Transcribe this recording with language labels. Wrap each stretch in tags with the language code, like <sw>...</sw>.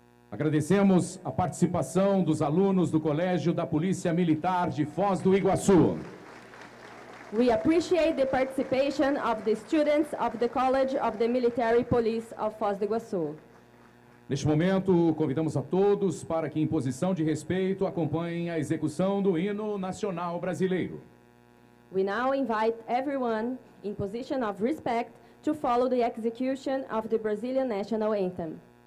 <pt>Agradecemos a participação dos alunos do Colégio da Polícia Militar de Foz do Iguaçu.</pt> <en>We appreciate the participation of the students of the College of the Military Police of Foz do Iguaçu.</en> <pt>Neste momento, convidamos a todos para que, em posição de respeito, acompanhem a execução do hino nacional brasileiro.</pt> <en>We now invite everyone, in position of respect, to follow the execution of the Brazilian National Anthem.</en>